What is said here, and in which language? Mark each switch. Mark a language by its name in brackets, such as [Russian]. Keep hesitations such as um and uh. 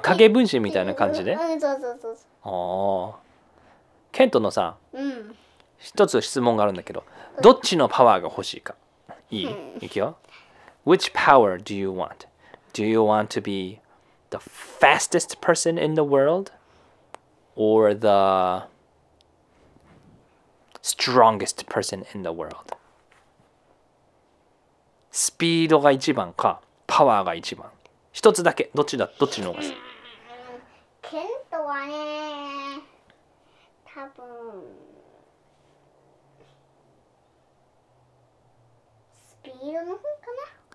[Japanese] 影分身みたいな感じでああケントのさうん一つ質問があるんだけど、どっちのパワーが欲しいかいい、うん、 いくよ。 [English] Which power do you want?Do you want to be the fastest person in the world or the strongest person in the world? [Japanese] スピードが一番かパワーが一番一つだけどっちだどっちのほうケントはね多分スピードの方かな